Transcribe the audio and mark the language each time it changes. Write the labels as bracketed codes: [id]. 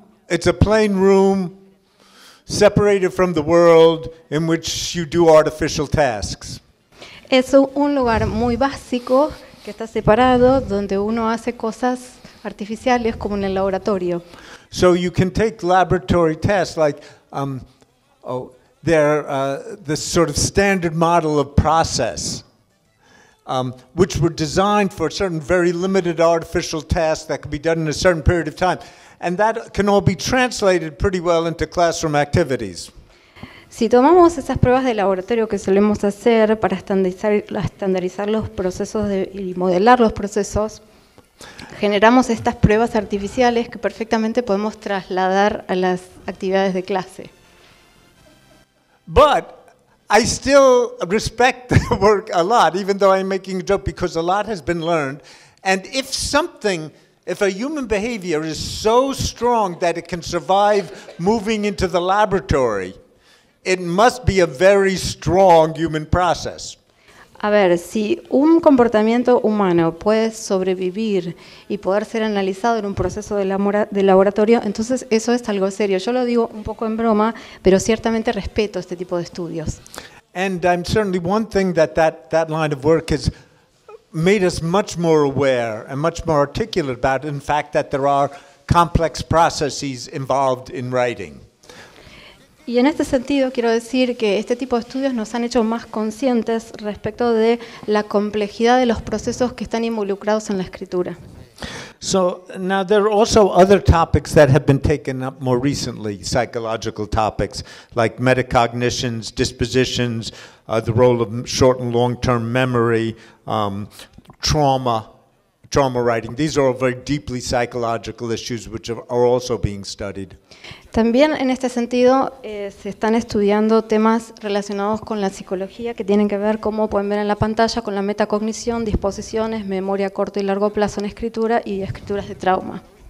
[en] It's a plain room separated from the world in which you do artificial tasks. [es] Es un lugar muy básico que está separado donde uno hace cosas artificiales como en el laboratorio. [en] So you can take laboratory tests like they're the sort of standard model of process. Which were designed for certain very limited artificial tasks that could be done in a certain period of time. And that can all be translated pretty well into classroom activities. [es] Si tomamos esas pruebas de laboratorio que solemos hacer para estandarizar los procesos y modelar los procesos, generamos estas pruebas artificiales que perfectamente podemos trasladar a las actividades de clase. [en] But I still respect the work a lot, even though I'm making a joke, because a lot has been learned. And if something, if a human behavior is so strong that it can survive moving into the laboratory, it must be a very strong human process. [es] A ver, si un comportamiento humano puede sobrevivir y poder ser analizado en un proceso de laboratorio, entonces eso es algo serio. Yo lo digo un poco en broma, pero ciertamente respeto este tipo de estudios. [en] And I'm certainly one thing that line of work has made us much more aware and much more articulate about, in fact, that there are complex processes involved in writing. [es] Y en este sentido quiero decir que este tipo de estudios nos han hecho más conscientes respecto de la complejidad de los procesos que están involucrados en la escritura. [en] So now there are also other topics that have been taken up more recently, psychological topics like metacognitions, dispositions, the role of short and long-term memory, trauma writing. These are all very deeply psychological issues which are also being studied. [es] También en este sentido se están estudiando temas relacionados con la psicología que tienen que ver, como pueden ver en la pantalla, con la metacognición, disposiciones, memoria a corto y largo plazo en escritura y escrituras de trauma.